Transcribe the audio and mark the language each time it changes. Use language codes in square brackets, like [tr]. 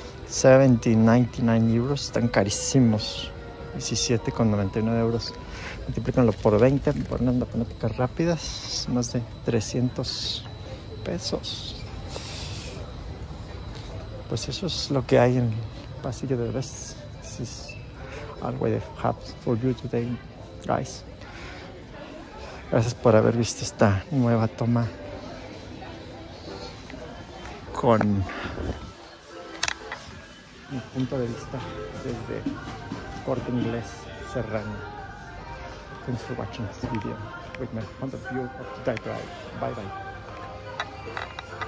[es] $70.99 euros. Están carísimos. 17.99 euros. Multiplícanlo por 20. Por una matemática rápida. Más de 300 pesos. Pues eso es lo que hay en el pasillo de bebés. [en] This is all we have for you today, guys. [es] Gracias por haber visto esta nueva toma. Con mi punto de vista desde Corte Inglés Serrano. [en] Thanks for watching this video with my point of view of the diaper. Bye bye.